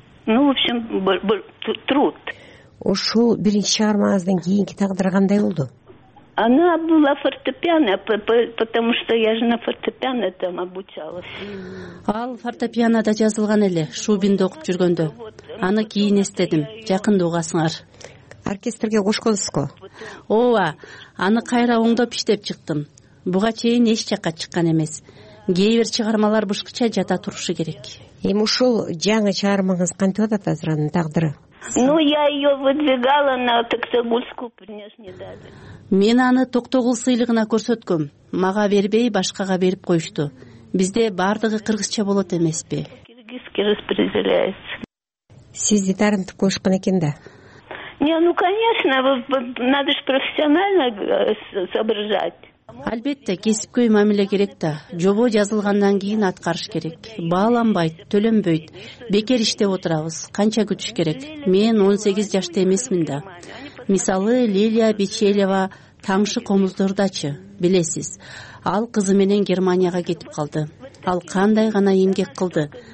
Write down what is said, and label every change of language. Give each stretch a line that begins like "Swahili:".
Russian: Ну, в общем, труд.
Kyrgyz: Ошол биринчи чыгармаңыздан кийинки тагдыр кандай болду?
Russian: Она была фортепиано, потому что я же на фортепиано там обучалась.
Kyrgyz: Ал фортепиано да жазылган эле, Шубинде окуп жүргөндө. Аны кийин эстедим, жакында угасыңар. Оркестрге кошконуңузго. Ооба, аны кайра оңдоп иштеп чыктым. Буга чейин эч жакка чыккан эмес. Кээ бир чыгармалар бышкыча жата турушу керек. Эми ушул жаңы чыгармаңыз кантип атат азыранын тагдыры?
Russian: Ну, я ее выдвигала на Токтогульскую, внешне дали.
Kyrgyz: Мен аны Токтогул сыйлыгына көрсөткөм. Мага бербей, башкага берип коюшту. Бизде бардыгы кыргызча болот эмеспи?
Russian: Киргизский распределяется.
Kyrgyz: Сизди тарынтып коюшкан экен да?
Russian: Не, ну, конечно, надо же профессионально соображать.
Kyrgyz: Албетте, кесипкөй мамиле керек да. Жобо жазылгандан кийин аткарыш керек. Бааланбайт, төлөнбөйт. Бекер иштеп отурабыз. Канча күтүш керек? Мен 18 жашта эмесмин да. Мисалы, Лилия Бичелева Таңшы Комуздордачы, билесиз. Ал кызы менен Германияга кетип калды. Ал кандай гана эмгек кылды.